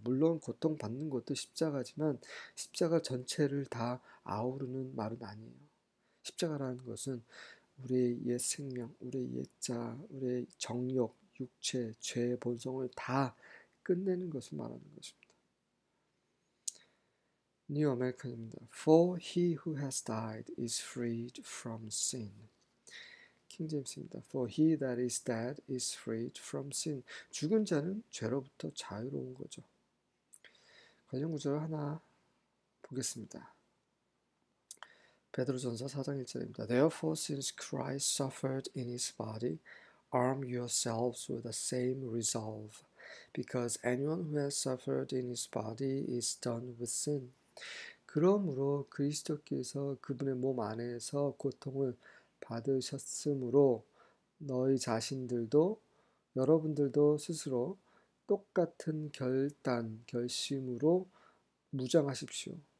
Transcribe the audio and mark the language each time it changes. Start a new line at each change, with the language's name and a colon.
Korean: 물론 고통받는 것도 십자가지만 십자가 전체를 다 아우르는 말은 아니에요. 십자가라는 것은 우리의 옛 생명, 우리의 옛 자, 우리의 정욕, 육체, 죄의 본성을 다 끝내는 것을 말하는 것입니다. New American입니다.
English: For he who has died is freed from sin. King James입니다. For he that is dead is freed from sin.
Korean: 죽은 자는 죄로부터 자유로운 거죠. 관련 구절 하나 보겠습니다. 베드로전서 4장 1절입니다.
English: Therefore, since Christ suffered in his body, arm yourselves with the same resolve, because anyone who has suffered in his body is done with sin.
Korean: 그러므로 그리스도께서 그분의 몸 안에서 고통을 받으셨으므로 너희 자신들도 여러분들도 스스로 똑같은 결단, 결심으로 무장하십시오.